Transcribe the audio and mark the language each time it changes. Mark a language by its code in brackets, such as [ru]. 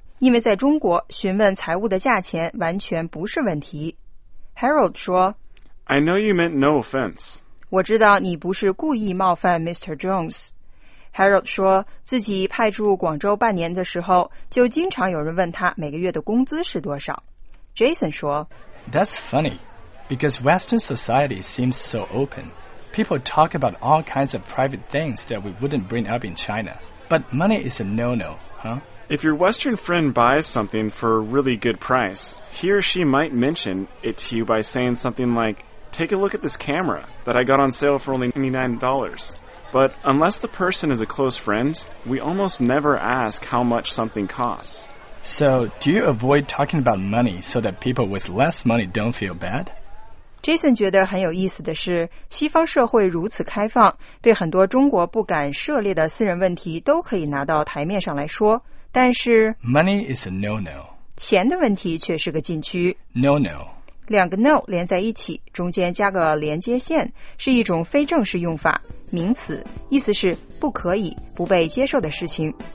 [zh] 因为在中国，询问财物的价钱完全不是问题。 Harold 说 [en] I know you meant no offense. [zh] 我知道你不是故意冒犯 Mr. Jones. Harold 说自己派驻广州半年的时候就经常有人问他每个月的工资是多少。 Jason 说 [en] That's funny, because Western society seems so open. People talk about all kinds of private things that we wouldn't bring up in China. But money is a no-no, huh? If your Western friend buys something for a really good price, he or she might mention it to you by saying something like, Take a look at this camera that I got on sale for only $99. But unless the person is a close friend, we almost never ask how much something costs. So, do you avoid talking about money so that people with less money don't feel bad? [zh] Jason 觉得很有意思的是，西方社会如此开放，对很多中国不敢涉猎的私人问题都可以拿到台面上来说，但是 [en] Money is a no-no. [zh] 钱的问题却是个禁区。 [en] No-no. [zh] 两个 no 连在一起，中间加个连接线，是一种非正式用法，名词，意思是不可以、不被接受的事情。